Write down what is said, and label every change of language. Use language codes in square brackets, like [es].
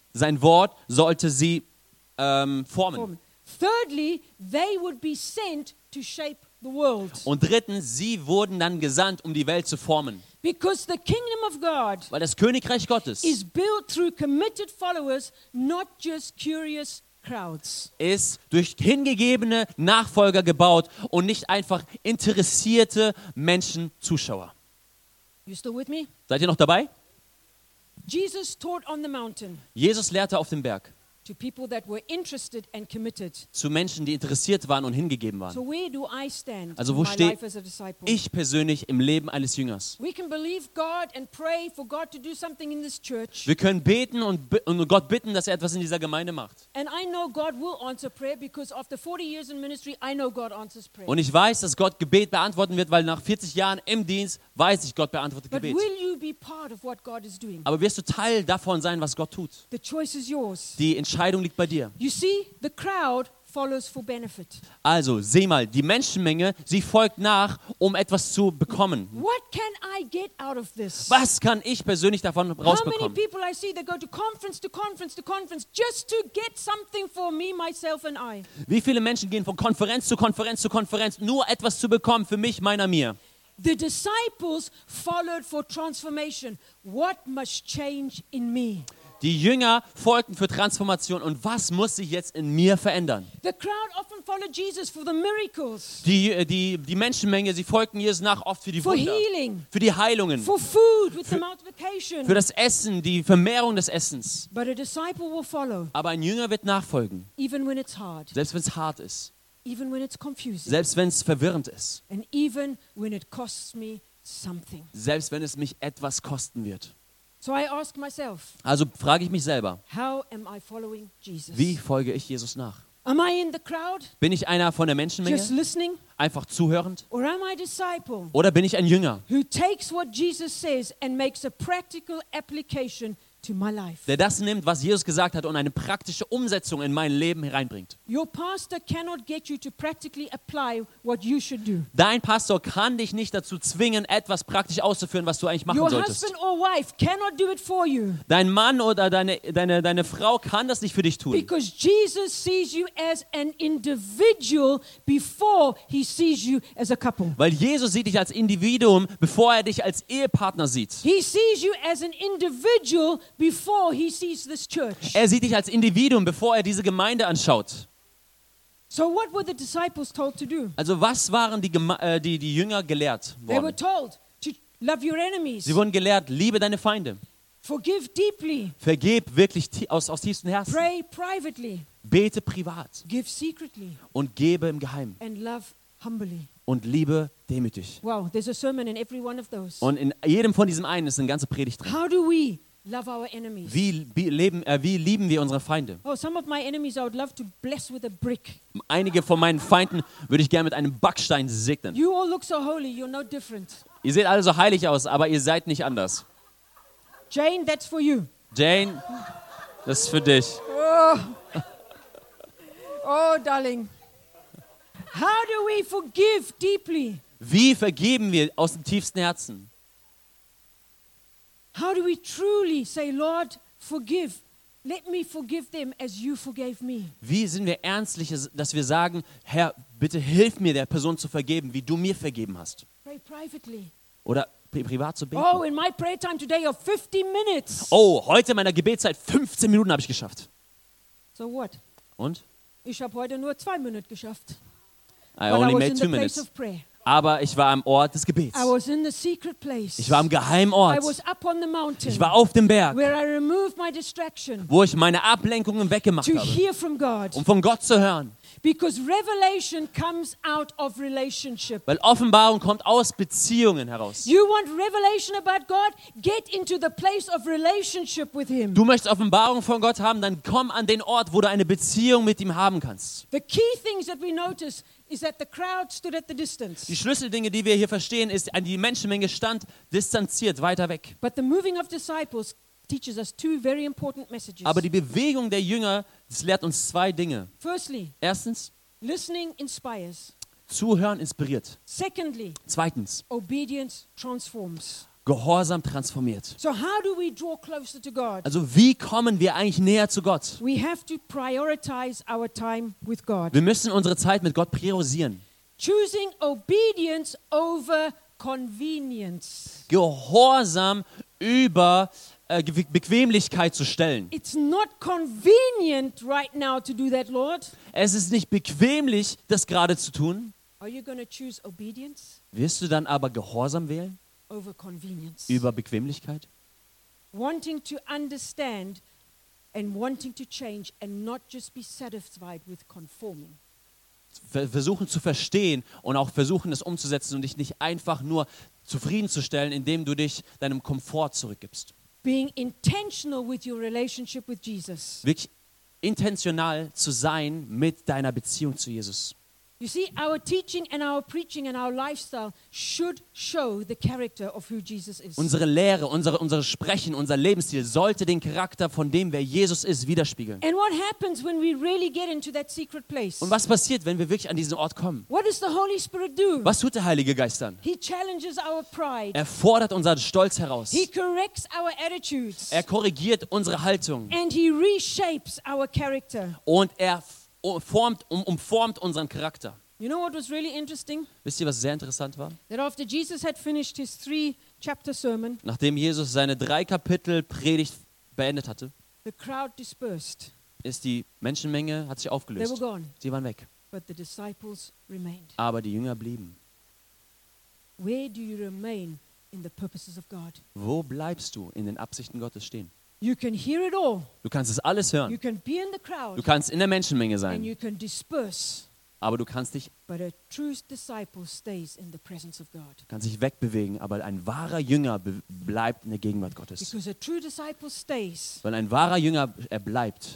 [de] Sein Wort sollte sie formen. [en] Thirdly, they would be sent to shape the world. [de] Und drittens, sie wurden dann gesandt, um die Welt zu formen. [en] Because the kingdom of God, [de] weil das Königreich Gottes, [en] is built through committed followers, not just curious crowds. [de] Ist durch hingegebene Nachfolger gebaut und nicht einfach interessierte Menschen Zuschauer. [en] You still with me? [de] Seid ihr noch dabei? [en] Jesus taught on the mountain. [de] Jesus lehrte auf dem Berg. [en] To people that were interested and committed. [de] Zu Menschen, die interessiert waren und hingegeben waren. [en] So where do I stand? [de] Also wo stehe ich persönlich im Leben eines Jüngers? [en] We can believe God and pray for God to do something in this church. [de] Wir können beten und Gott bitten, dass er etwas in dieser Gemeinde macht. [en] And I know God will answer prayer because after 40 years in ministry, I know God answers prayer. [de] Und ich weiß, dass Gott Gebet beantworten wird, weil nach 40 Jahren im Dienst weiß ich, Gott beantwortet Gebet. [en] But will you be part of what God is doing? [de] Aber wirst du Teil davon sein, was Gott tut? [en] The choice is yours. [de] Die Entscheidung liegt bei dir. [en] You see, the crowd follows for benefit. [de] Also, seh mal, die Menschenmenge, sie folgt nach, um etwas zu bekommen. [en] What can I get out of this? [de] Was kann ich persönlich davon rausbekommen? [en] How many people I see, they go to conference to conference to conference just to get something for me, myself and I. [de] Wie viele Menschen gehen von Konferenz zu Konferenz zu Konferenz, nur etwas zu bekommen für mich, meiner, mir? [en] The disciples followed for transformation. What must change in me? [de] Die Jünger folgten für Transformation und was muss sich jetzt in mir verändern? [en] The crowd often followed Jesus for the miracles. [de] Die Menschenmenge, sie folgten Jesus nach oft für die [en] for [de] Wunder, [en] healing, [de] für die Heilungen, [en] for food with the multiplication. [de] Für das Essen, die Vermehrung des Essens. [en] But a disciple will follow. [de] Aber ein Jünger wird nachfolgen, [en] even when it's hard. [de] Selbst wenn es hart ist. [en] Even when it's confusing. [de] Selbst wenn es verwirrend ist. [en] And even when it costs me something. [de] Selbst wenn es mich etwas kosten wird. [en] So I ask myself, [de] also frage ich mich selber, [en] how am I following Jesus? [de] Wie folge ich Jesus nach? [en] Am I in the crowd? [de] Bin ich einer von der Menschenmenge? [en] Just listening? [de] Einfach zuhörend? [en] Or am I a disciple? [de] Oder bin ich ein Jünger? [en] Who takes what Jesus says and makes a practical application to my life. [de] Der das nimmt, was Jesus gesagt hat und eine praktische Umsetzung in mein Leben hereinbringt. [en] Your pastor cannot get you to practically apply what you should do. [de] Dein Pastor kann dich nicht dazu zwingen, etwas praktisch auszuführen, was du eigentlich machen [en] Your [de] solltest. [en] Husband or wife cannot do it for you. [de] Dein Mann oder deine Frau kann das nicht für dich tun. [en] Because Jesus sees you as an individual before he sees you as a couple. [de] Weil Jesus sieht dich als Individuum, bevor er dich als Ehepartner sieht. [en] He sees you as an individual before he sees this church. [de] Er sieht dich als Individuum, bevor er diese Gemeinde anschaut. [en] So what were the disciples told to do? [de] Also was waren die Jünger gelehrt worden? [en] They were told to love your enemies. [de] Sie wurden gelehrt, liebe deine Feinde. [en] Forgive deeply. [de] Vergeb wirklich aus tiefstem Herzen. [en] Pray privately. [de] Bete privat. [en] Give secretly. [de] Und gebe im Geheimen. [en] And love humbly. [de] Und liebe demütig. [en] Wow, there's a sermon in every one of those. [de] Und in jedem von diesen einen ist eine ganze Predigt drin. [en] How do we love our enemies. [de] Wie lieben wir unsere Feinde? [en] Oh, some of my enemies I would love to bless with a brick. [de] Einige von meinen Feinden würde ich gerne mit einem Backstein segnen. [en] You all look so holy, you're no different. [de] Ihr seht alle so heilig aus, aber ihr seid nicht anders. [en] Jane, that's for you. [de] Jane, das ist für dich. [en] Oh, darling. How do we forgive deeply? [de] Wie vergeben wir aus dem tiefsten Herzen? [en] How do we truly say, Lord, forgive? Let me forgive them as you forgave me. [de] Wie sind wir ernstlich, dass wir sagen, Herr, bitte hilf mir, der Person zu vergeben, wie du mir vergeben hast? [en] Pray privately. [de] Oder privat zu beten. [en] Oh, in my prayer time today of 50 minutes. [de] Oh, heute in meiner Gebetszeit 15 Minuten habe ich geschafft. [en] So what? [de] Und? Ich habe heute nur 2 Minuten geschafft. [en] I only made 2 minutes. [de] Aber ich war am Ort des Gebets. [en] I was in the secret place. [de] Ich war am geheimen Ort. [en] I was up on the mountain, [de] ich war auf dem Berg, [en] where I removed my distraction, [de] wo ich meine Ablenkungen weggemacht [en] to [de] habe, [en] hear from God. [de] Um von Gott zu hören. [en] Because revelation comes out of relationship. [de] Weil Offenbarung kommt aus Beziehungen heraus. [en] You want revelation about God? Get into the place of relationship with him. [de] Du möchtest Offenbarung von Gott haben, dann komm an den Ort, wo du eine Beziehung mit ihm haben kannst. [en] The key things that we notice is that the crowd stood at the distance. [de] Die Schlüsseldinge, die wir hier verstehen, ist, die Menschenmenge stand distanziert, weiter weg. [en] But the moving of disciples teaches us 2 very important messages. [de] Aber die Bewegung der Jünger, das lehrt uns 2 Dinge. [en] Firstly, [de] erstens, [en] listening inspires. [de] Zuhören inspiriert. [en] Secondly, [de] zweitens, [en] obedience transforms. [de] Gehorsam transformiert. [en] So how do we draw closer to God? [de] Also wie kommen wir eigentlich näher zu Gott? [en] We have to prioritize our time with God. [de] Wir müssen unsere Zeit mit Gott priorisieren. [en] Choosing obedience over convenience. [de] Gehorsam über Bequemlichkeit zu stellen. [en] It's not convenient right now to do that, Lord. [de] Es ist nicht bequemlich, das gerade zu tun. [en] Are you gonna choose obedience? [de] Wirst du dann aber Gehorsam wählen? [en] Over convenience. [de] Über Bequemlichkeit? [en] Wanting to understand and wanting to change and not just be satisfied with conforming. [de] Versuchen zu verstehen und auch versuchen, das umzusetzen und dich nicht einfach nur zufriedenzustellen, indem du dich deinem Komfort zurückgibst. [en] Being intentional with your relationship with Jesus. [de] Wirklich intentional zu sein mit deiner Beziehung zu Jesus. [en] You see, our teaching and our preaching and our lifestyle should show the character of who Jesus is. [de] Unsere Lehre, unsere Sprechen, unser Lebensstil sollte den Charakter von dem, wer Jesus ist, widerspiegeln. [en] And what happens when we really get into that secret place? [de] Und was passiert, wenn wir wirklich an diesen Ort kommen? [en] What does the Holy Spirit do? [de] Was tut der Heilige Geist dann? [en] He challenges our pride. [de] Er fordert unseren Stolz heraus. [en] He corrects our attitudes. [de] Er korrigiert unsere Haltung. [en] And he reshapes our character. [de] Und er umformt unseren Charakter. [en] You know what was really interesting? [de] Wisst ihr, was sehr interessant war? [en] That after Jesus had finished his 3-chapter sermon, [de] nachdem Jesus seine 3-Kapitel-Predigt beendet hatte, [en] the crowd dispersed. [de] Ist die Menschenmenge hat sich aufgelöst. [en] They were gone. [de] Sie waren weg. [en] But the disciples remained. [de] Aber die Jünger blieben. [en] Where do you remain in the purposes of God? [de] Wo bleibst du in den Absichten Gottes stehen? [en] You can hear it all. [de] Du kannst es alles hören. [en] You can be in the crowd. [de] Du kannst in der Menschenmenge sein. [en] And you can disperse. [de] Aber du kannst dich. [en] But a true disciple stays in the presence of God. [de] Kannst dich wegbewegen, aber ein wahrer Jünger bleibt in der Gegenwart Gottes. [en] Because a true disciple stays. [de] Weil ein wahrer Jünger er bleibt.